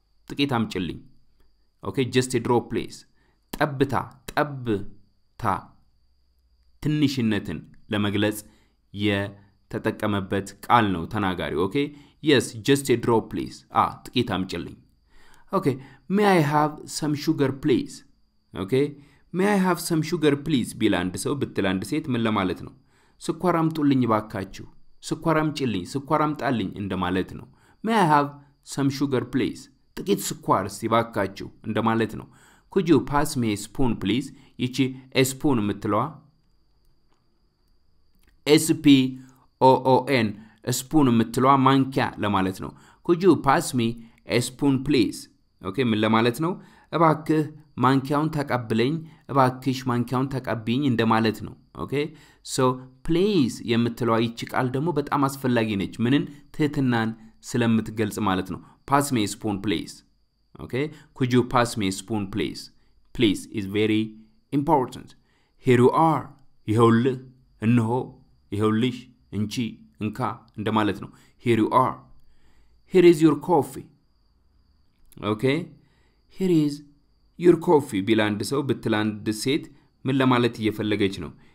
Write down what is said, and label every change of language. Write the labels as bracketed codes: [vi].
[am] ጥቂት አምጪልኝ። [en] Okay, just a drop please. [am] ጠብታ ጠብታ ትንሽነትን ለመግለጽ የተጠቀመበት ቃል ነው ተናጋሪ። ኦኬ [en] yes just a drop please. [am] ጥቂት አምጪልኝ። [en] ኦኬ may I have some sugar please? [am] ኦኬ [en] may I have some sugar please [am] ቢላንድ ሰው ብትላንድ ሴት ምን ለማለት ነው? ስኳር አምጡልኝ ባካችሁ፣ ስኳር አምጪልኝ፣ ስኳር አምጣልኝ እንደማለት ነው። [en] may I have some sugar please? [am] ጥቂት ስኳር እስቲ ባካችሁ እንደማለት ነው። [en] Could you pass me a spoon please? ይቺ a spoon የምትለዋ spoon spoon [am] የምትለዋ ማንኪያ ለማለት ነው። [en] Could you pass me a spoon please? [am] ኦኬ ምን ለማለት ነው? እባክህ ማንኪያውን ተቀብለኝ፣ እባክሽ ማንኪያውን ተቀብኝ እንደማለት ነው። ኦኬ so please የምትለዋ ይቺ ቃል ደግሞ በጣም አስፈላጊ ነች። ምንን? ትህትናን ስለምትገልጽ ማለት ነው። [en] Pass me a spoon please. Okay, could you pass me a spoon please? Please is very important. Here you are. [am] ይሁል እንሆ ይሁልሽ እንቺ እንካ እንደማለት ነው። [en] Here you are. Here is your coffee. Okay? Here is your coffee. [am] ቢላንድ ሰው ብትላንድ ሴት ምን ለማለት እየፈለገች ነው?